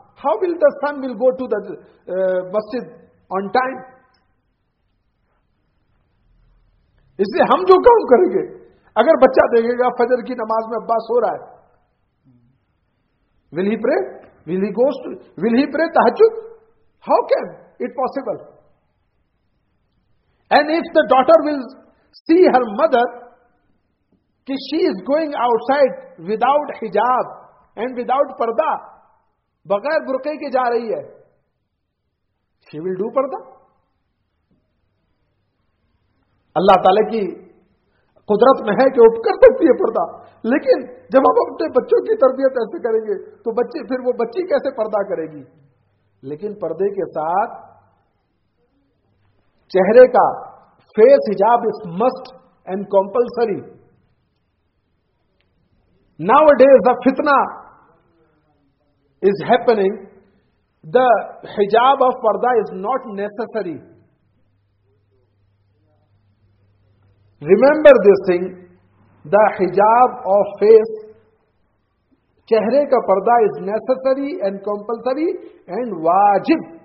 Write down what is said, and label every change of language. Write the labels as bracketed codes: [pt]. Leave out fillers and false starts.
[en] How will the son will go to the masjid on time? [ur] اس لیے ہم جو کام کریں گے, اگر بچہ دیکھے گا فجر کی نماز میں ابا سو رہا ہے, [en] will he pray [ur] تہجد, [en] how can it possible? And if the daughter will see her mother کہ she is going outside without hijab and without parda, [ur] بغیر برقعے کے جا رہی ہے, [en] She will do پردہ. [ur] اللہ تعالی کی قدرت میں ہے کہ وہ کر سکتی ہے پردہ, لیکن جب ہم اپنے بچوں کی تربیت ایسے کریں گے تو بچے پھر وہ بچی کیسے پردہ کرے گی. لیکن پردے کے ساتھ چہرے کا [en] Face حجاب is must and compulsory. Nowadays the فتنہ is happening, the hijab of parda is not necessary. Remember this thing, the hijab of face, [ur] chehre ka parda [en] is necessary and compulsory and wajib.